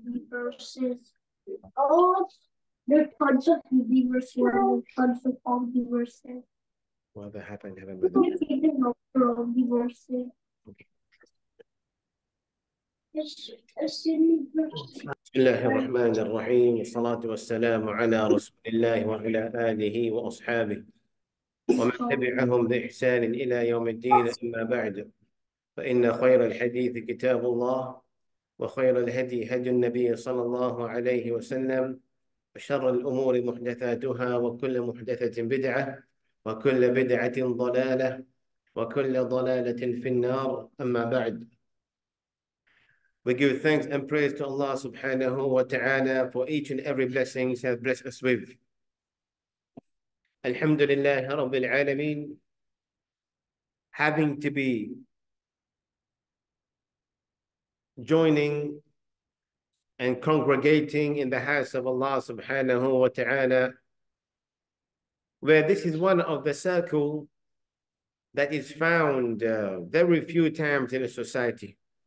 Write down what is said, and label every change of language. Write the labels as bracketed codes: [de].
[ar] Versus all the tons of universes, tons of all universes. Whatever happened, heaven You with them. can see the number of universes. It's a universe. بسم الله الرحمن الرحيم الصلاة والسلام على رسول الله وعلى آله وأصحابه ومن تبعهم بإحسان إلى يوم الدين أما بعد فإن خير الحديث كتاب الله وخير الهدي هدي النبي صلى الله عليه وسلم وشر الأمور محدثاتها وكل محدثة بدعة وكل بدعة ضلالة وكل ضلالة في النار أما بعد. [en] We give thanks and praise to Allah subhanahu wa ta'ala for each and every blessing He has blessed us with. [ar] Alhamdulillah Rabbil Alameen, [en] having to be joining and congregating in the house of Allah subhanahu wa ta'ala, where this is one of the circle that is found very few times in a society.